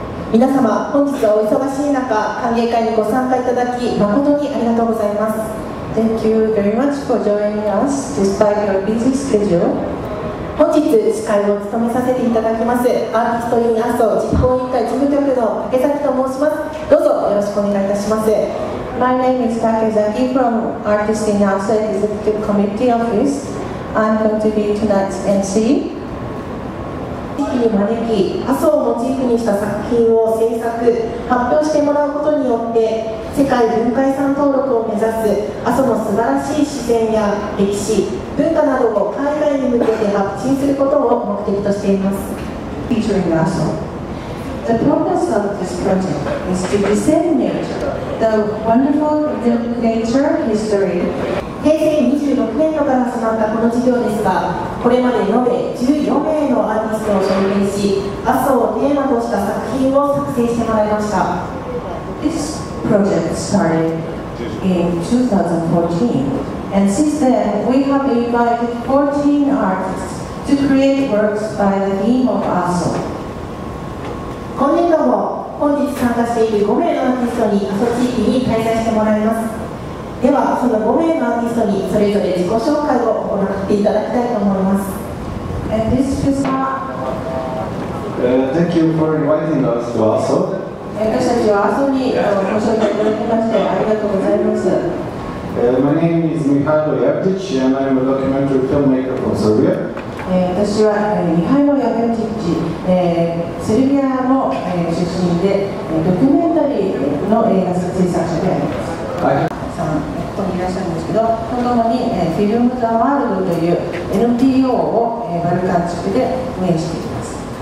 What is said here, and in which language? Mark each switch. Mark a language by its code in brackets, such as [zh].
[ja] 皆様、本日はお忙しい中、歓迎会にご参加いただき、誠にありがとうございます。 [en] Thank you very much for joining us despite your busy schedule. [ja] 本日、司会を務めさせていただきます、アーティストインアソ実行委員会事務局の竹崎と申します。どうぞよろしくお願いいたします。 [en] My name is Takezaki from Artist in Aso Executive Committee Office. I'm going to be tonight's MC. [ja] アソを招き、アソをモチーフにした作品を制作、発表してもらうことによって、世界文化遺産登録を目指すアソの素晴らしい自然や歴史、文化などを海外に向けて発信することを目的としています。 [en] Featuring Aso. The purpose of this project is to disseminate the wonderful nature history. [ja] 平成26年度から始まったこの事業ですが、これまで延べ14名のアーティストを招聘し、阿蘇をテーマとした作品を作成してもらいました。 [en] This project started in 2014, and since then we have invited 14 artists to create works by the theme of 阿蘇。 [ja] 今年度も本日参加している5名のアーティストに阿蘇地域に滞在してもらいます。ではその5名のアーティストにそれぞれ自己紹介を行っていただきたいと思います。 [en] This is a... Thank you for inviting us to 阿蘇。 [ja] 私たちは阿蘇にご招待いただきましてありがとうございます。 [en] My name is Mihailo Yavdic and I'm a documentary filmmaker from Serbia. [ja] 私は Mihailo Yavdic, セルビアの出身で、ドキュメンタリーの映画制作者であります。 3人いらっしゃるんですけど、ともに Film the World という NPO を、バルカン地区で運営しています。